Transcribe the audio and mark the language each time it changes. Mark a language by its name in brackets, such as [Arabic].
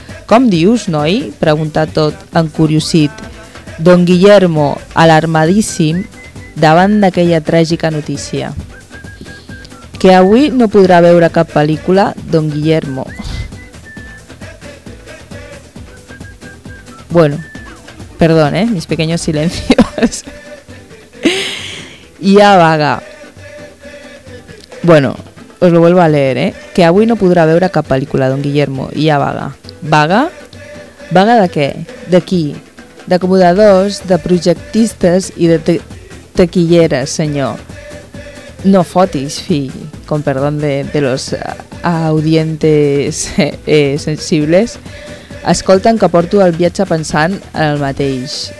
[Catalan] Com dius, noi? Pregunta tot encuriosit. Don Guillermo, alarmadíssim davant d'aquella tràgica notícia. Que avui no podrà veure cap pel·lícula, don Guillermo. [Spanish] Bueno, perdón, mis pequeños silencios. Y a vaga. Bueno, os lo vuelvo a leer, [Catalan] Que avui no podrà veure cap pel·lícula, don Guillermo. I a vaga. Vaga? Vaga de què? De qui? D'acomodadors, de projectistes i de taquilleres, senyor. No fotis, fill, [Spanish] con perdón de los audientes sensibles. [Catalan] Escolta'm, que porto el viatge pensant en el mateix.